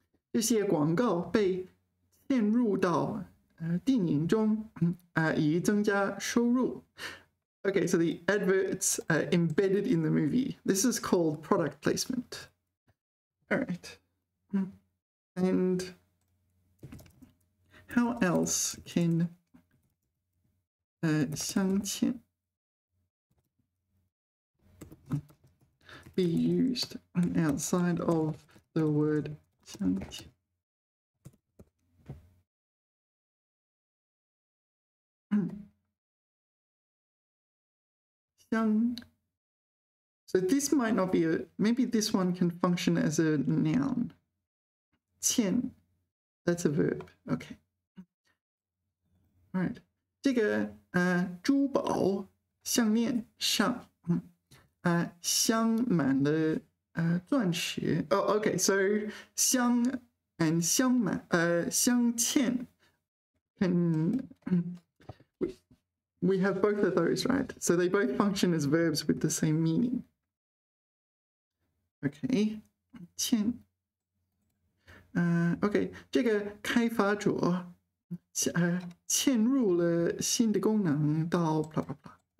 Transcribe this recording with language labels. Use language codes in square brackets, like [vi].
[zh] 这些广告被嵌入到电影中以增加收入. [en] Okay, so the adverts are embedded in the movie. This is called product placement. Alright. And how else can 镶嵌 be used outside of the word 镶嵌? So this might not be maybe this one can function as a noun. 嵌, that's a verb. Okay. All right. [zh] 这个 珠宝项链上 镶满了钻石. [en] Oh, okay, so 镶 and 镶满 镶嵌 can we have both of those, right? So they both function as verbs with the same meaning. [zh] Okay, 嵌 okay, 这个开发者 嵌入了新的功能到 blah blah blah.